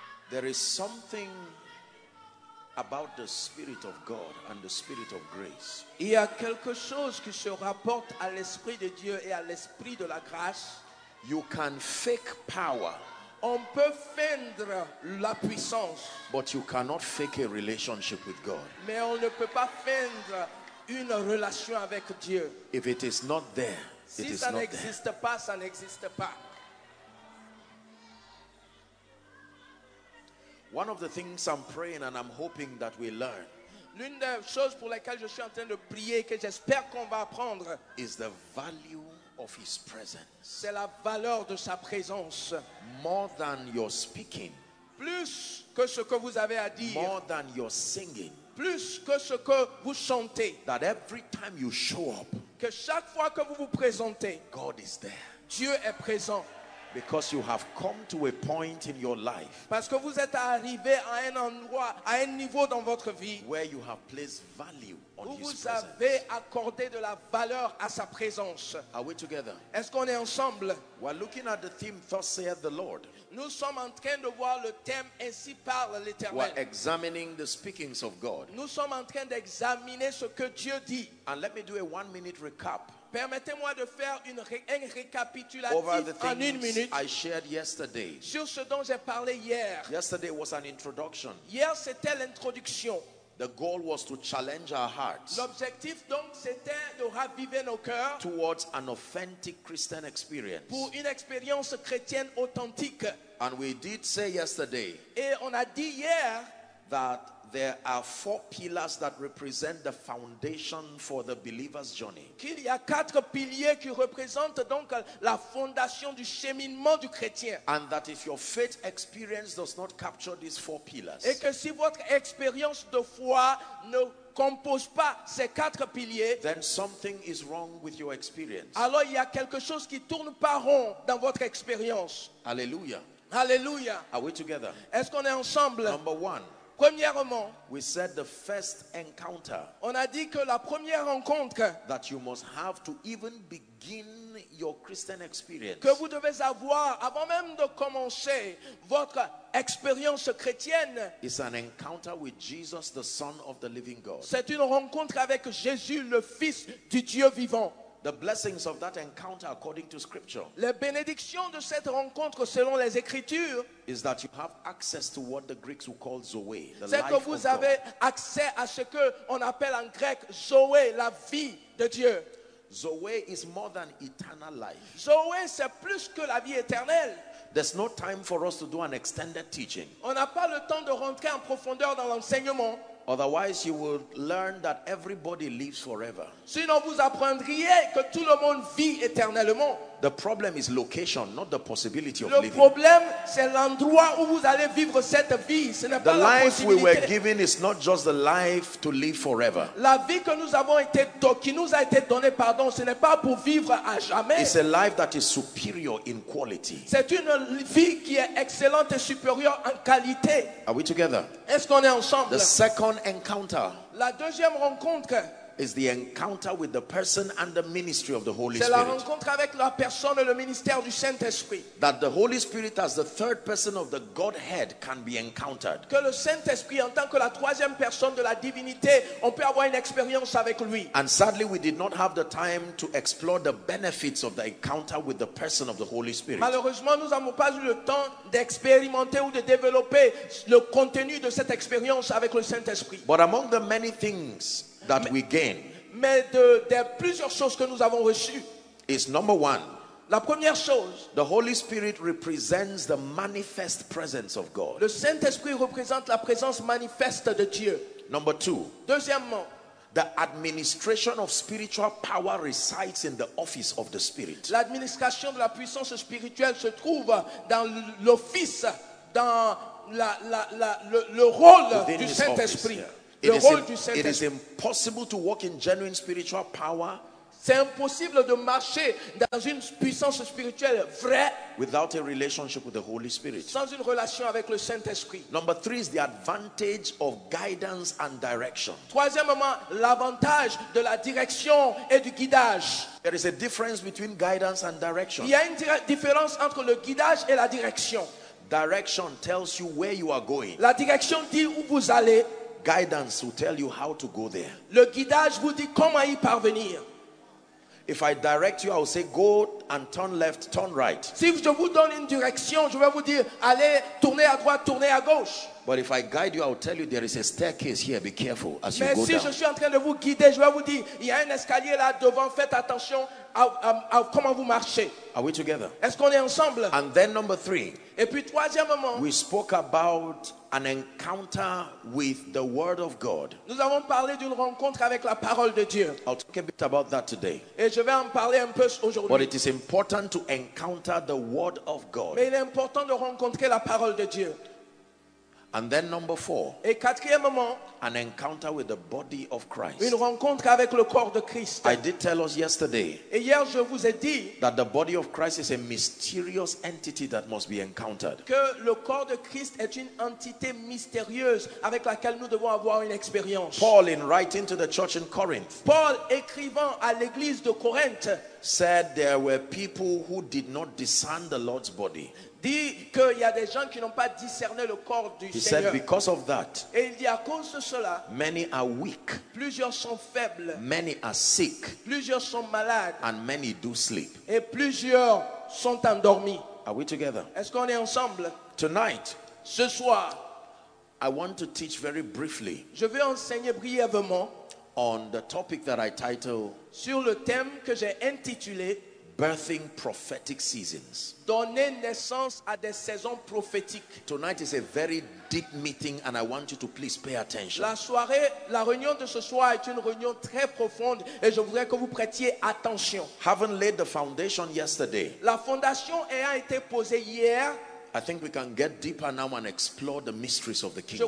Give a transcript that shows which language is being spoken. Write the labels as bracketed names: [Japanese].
[English] There is something about the Spirit of God and the Spirit of grace. [French] Il y a quelque chose qui se rapporte à l'Esprit de Dieu et à l'Esprit de la grâce. [English] You can fake power. [French] On peut feindre la puissance. [English] But you cannot fake a relationship with God. [French] Mais on ne peut pas feindre une relation avec Dieu. [English] If it is not there, it is not there. [French] Si ça n'existe pas, ça n'existe pas. [English] One of the things I'm praying and I'm hoping that we learn. [French] L'une des choses pour lesquelles je suis en train de prier que j'espère qu'on va apprendre [English] is the value of his presence. [French] C'est la valeur de sa présence. [English] More than your speaking. [French] Plus que ce que vous avez à dire. [English] More than your singing. [French] Plus que ce que vous chantez. [English] That every time you show up. [French] Que chaque fois que vous vous présentez. [English] God is there. [French] Dieu est présent. [English] Because you have come to a point in your life. [French] Parce que vous êtes arrivé à un endroit, à un niveau dans votre vie. [English] Where you have placed value on his presence. [French] Vous avez accordé de la valeur à sa présence. [English] Are we together? [French] Est-ce qu'on est ensemble? [English] We're looking at the theme, thus saith the Lord. [French] Nous sommes en train de voir le thème, ainsi parle l'Éternel. [English] We're examining the speakings of God. [French] Nous sommes en train d'examiner ce que Dieu dit. [English] And let me do a 1 minute recap. [French] Permettez-moi de faire un récapitulatif en une minute [English] I shared yesterday. [French] Sur ce dont j'ai parlé hier. [English] Yesterday was an introduction. [French] Hier, c'était l'introduction. [English] The goal was to challenge our hearts. [French] L'objectif donc c'était de raviver nos cœurs. [English] Towards an authentic Christian experience. [French] Pour une expérience chrétienne authentique. [English] And we did say yesterday. [French] Et on a dit hier. [English] That there are 4 pillars that represent the foundation for the believer's journey. [French] Qu'il y a 4 piliers qui représentent donc la fondation du cheminement du chrétien. [English] And that if your faith experience does not capture these 4 pillars. [French] Et que si votre expérience de foi ne compose pas ces 4 piliers. [English] Then something is wrong with your experience. [French] Alors il y a quelque chose qui tourne pas rond dans votre expérience. Alléluia. Alléluia. [English] Are we together? [French] Est-ce qu'on est ensemble? [English] Number one. [French] Premièrement, [English] we said the first encounter. [French] On a dit que la première rencontre [English] that you must have to even begin your Christian experience. [French] Que vous devez avoir avant même de commencer votre expérience chrétienne. [English] Is an encounter with Jesus, the Son of the Living God. [French] C'est une rencontre avec Jésus, le Fils du Dieu vivant. [English] The blessings of that encounter according to scripture. [French] Les bénédictions de cette rencontre selon les écritures. [English] Is that you have access to what the Greeks would call Zoe, the life of God. [French] C'est que vous avez accès à ce que on appelle en grec Zoé, la vie de Dieu. [English] Zoé is more than eternal life. [French] Zoé c'est plus que la vie éternelle. [English] There's no time for us to do an extended teaching. [French] On n'a pas le temps de rentrer en profondeur dans l'enseignement. [English] Otherwise, you will learn that everybody lives forever. [French] Sinon, vous apprendriez que tout le monde vit éternellement. [English] The problem is location, not the possibility of [French] le [English] living. [French] Le problème, c'est l'endroit où vous allez vivre cette vie. Ce n'est [English] the [French] pas la possibilité. [English] The life we were given is not just the life to live forever. [French] La vie que nous avons été, qui nous a été donnée, pardon, ce n'est pas pour vivre à jamais. [English] It's a life that is superior in quality. [French] C'est une vie qui est excellente et supérieure en qualité. [English] Are we together? [French] Est-ce qu'on est ensemble? [English] The second encounter. [French] La deuxième rencontre. [English] Is the encounter with the person and the ministry of the Holy Spirit. [French] la rencontre avec la personne et le ministère du Saint-Esprit. [English] That the Holy Spirit as the third person of the Godhead can be encountered. [French] Que le Saint-Esprit en tant que la troisième personne de la divinité, on peut avoir une expérience avec lui. [English] And sadly we did not have the time to explore the benefits of the encounter with the person of the Holy Spirit. [French] Malheureusement, nous n'avons pas eu le temps d'expérimenter ou de développer le contenu de cette expérience avec le Saint-Esprit. [English] But among the many things that we gain. [French] Mais de plusieurs choses que nous avons reçues. [English] Is number one. [French] La première chose. [English] The Holy Spirit represents the manifest presence of God. [French] Le Saint-Esprit représente la présence manifeste de Dieu. [English] Number two. [French] Deuxièmement. [English] The administration of spiritual power resides in the office of the Spirit. [French] L'administration de la puissance spirituelle se trouve dans l'office, dans le rôle [English] within [French] du Saint-Esprit. [English] It is impossible to walk in genuine spiritual power [French] C'est impossible de marcher dans une puissance spirituelle vraie [English] without a relationship with the Holy Spirit. [French] Sans une relation avec le Saint-Esprit. [English] Number three is the advantage of guidance and direction. [French] Troisièmement, l'avantage de la direction et du guidage. [English] There is a difference between guidance and direction. [French] Il y a une différence entre le guidage et la direction. [English] Direction tells you where you are going. [French] La direction dit où vous allez. [English] Guidance will tell you how to go there. [French] Le guidage vous dit comment y parvenir. [English] If I direct you, I will say go and turn left, turn right. [French] Si je vous donne une direction, je vais vous dire allez, tournez à droite, tournez à gauche. [English] But if I guide you, I will tell you there is a staircase here. Be careful as [French] Mais [English] you go [French] si [English] down. [French] Je suis en train de vous guider, je vais vous dire il y a un escalier là devant. Faites attention à comment vous marchez. [English] Are we together? [French] Est-ce qu'on est ensemble? [English] And then number three. [French] Et puis troisièmement, [English] we spoke about an encounter with the Word of God. [French] Nous avons parlé d'une rencontre avec la parole de Dieu. [English] I'll talk a bit about that today. [French] Et je vais en parler un peu aujourd'hui. [English] But it is important to encounter the Word of God. [French] Mais il est important de rencontrer la parole de Dieu. [English] And then number four. [French] Et quatrièmement, [English] an encounter with the body of Christ. [French] Une rencontre avec le corps de Christ. [English] I did tell us yesterday. [French] Et hier je vous ai dit [English] that the body of Christ is a mysterious entity that must be encountered. [French] Que le corps de Christ est une entité mystérieuse avec laquelle nous devons avoir une expérience. [English] Paul, in writing to the church in Corinth. [French] Paul écrivant à l'église de Corinthe, [English] said there were people who did not discern the Lord's body. [French] Dit qu'il y a des gens qui n'ont pas discerné le corps du [English] He [French] Seigneur. [English] Said, because of that, [French] et il dit à cause de cela, [English] many are weak, [French] plusieurs sont faibles, [English] many are sick, [French] plusieurs sont malades, [English] and many do sleep. [French] Et plusieurs sont endormis. [English] Are we together? [French] Est-ce qu'on est ensemble? [English] Tonight, [French] ce soir, [English] I want to teach very briefly, [French] je veux enseigner brièvement [English] on the topic that I titled, [French] sur le thème que j'ai intitulé [English] Birthing prophetic seasons. [French] Donner naissance à des saisons prophétiques. [English] Tonight is a very deep meeting and I want you to please pay attention. [French] La soirée, la réunion de ce soir est une réunion très profonde et je voudrais que vous prêtiez attention. [English] Haven't laid the foundation yesterday. [French] La fondation ayant été posée hier, [English] I think we can get deeper now and explore the mysteries of the kingdom.